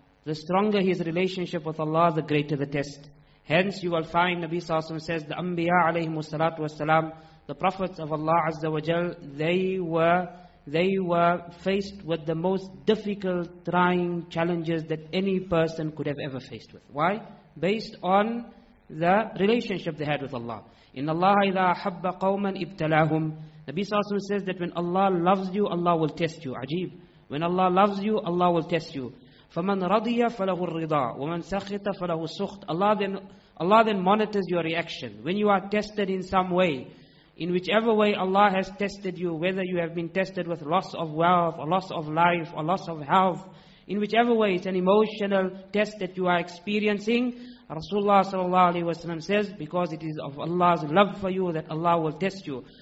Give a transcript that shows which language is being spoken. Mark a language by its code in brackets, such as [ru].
[en] The stronger his relationship with Allah, the greater the test. Hence you will find Nabi sallallahu alayhi wa sallam says, the anbiya alayhi wa sallatu wa sallam, the prophets of Allah Azza wa Jal, they were faced with the most difficult, trying challenges that any person could have ever faced with. Why? Based on the relationship they had with Allah. [ar] In Allah إِذَا أَحَبَّ قَوْمًا ابْتَلَاهُمْ. [en] Nabi Sallallahu Alaihi Wasallam says that when Allah loves you, Allah will test you. Ajib. When Allah loves you, Allah will test you. [ar] فَمَنْ رَضِيَ فَلَهُ الرِّضَى وَمَنْ سَخِطَ فَلَهُ السُّخْطَ. [en] Allah then monitors your reaction. When you are tested in some way, in whichever way Allah has tested you, whether you have been tested with loss of wealth, or loss of life, or loss of health, in whichever way it's an emotional test that you are experiencing, Rasulullah sallallahu alaihi wasallam says, because it is of Allah's love for you that Allah will test you.